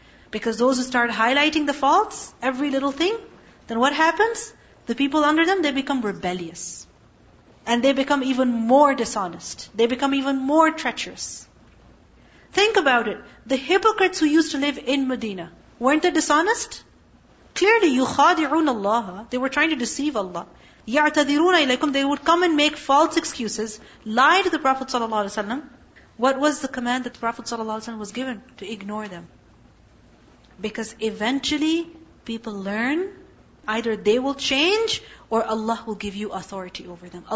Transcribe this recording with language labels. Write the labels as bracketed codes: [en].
[en] Because those who start highlighting the faults, every little thing, then what happens? The people under them, they become rebellious. And they become even more dishonest. They become even more treacherous. Think about it. The hypocrites who used to live in Medina, weren't they dishonest? Clearly, [ar] يُخَادِعُونَ اللَّهَ. [en] They were trying to deceive Allah. [ar] يَعْتَذِرُونَ إِلَيْكُمْ. [en] They would come and make false excuses, lie to the Prophet ﷺ. What was the command that the Prophet ﷺ was given? To ignore them. Because eventually, people learn, either they will change, or Allah will give you authority over them.